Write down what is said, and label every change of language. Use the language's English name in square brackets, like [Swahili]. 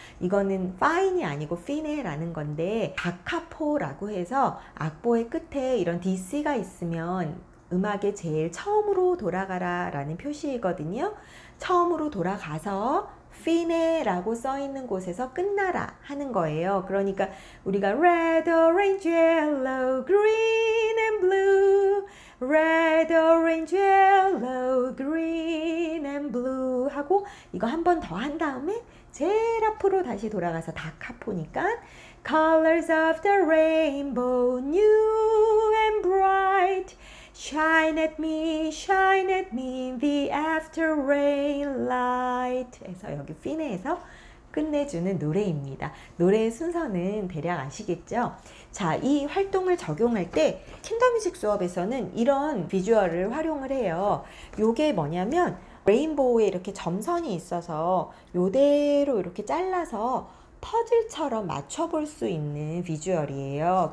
[Korean] 이거는 Fine이 아니고 Fine라는 건데 다카포라고 해서 악보의 끝에 이런 D, C가 있으면 음악의 제일 처음으로 돌아가라 라는 표시이거든요. 처음으로 돌아가서 fine 라고 써 있는 곳에서 끝나라 하는 거예요. 그러니까 우리가 [English] red, orange, yellow, green and blue, red, orange, yellow, green and blue [Korean] 하고 이거 한 번 더 한 다음에 제일 앞으로 다시 돌아가서 다카포니까 [English] colors of the rainbow, new and bright, shine at me in the after rain light [Korean] 에서 여기 피네에서 끝내주는 노래입니다. 노래의 순서는 대략 아시겠죠? 자, 이 활동을 적용할 때 킨더뮤직 수업에서는 이런 비주얼을 활용을 해요. 요게 뭐냐면 레인보우에 이렇게 점선이 있어서 요대로 이렇게 잘라서 퍼즐처럼 맞춰볼 수 있는 비주얼이에요.